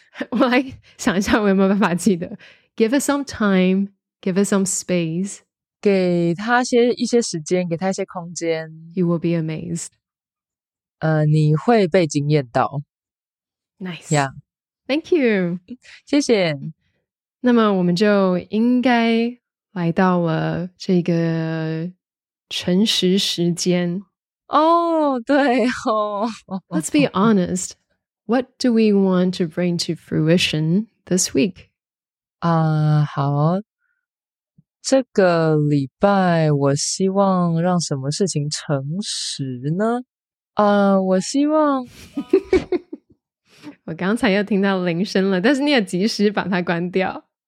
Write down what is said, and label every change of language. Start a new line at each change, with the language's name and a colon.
Chinese: 我来想一下，我有没有办法记得 ？ Give it some time, give it some space，给他一些时间，给他一些空间。
English: You will be amazed。
Chinese: 你会被惊艳到。
English: Nice， yeah， thank you，
Chinese: 谢谢。那么我们就应该来到了这个诚实时间。对哦。
English: Let's be honest。 What do we want to bring to fruition this week?
Chinese: 好，这个礼拜我希望让什么事情诚实呢？我希望我刚才又听到铃声了，但是你也及时把它关掉。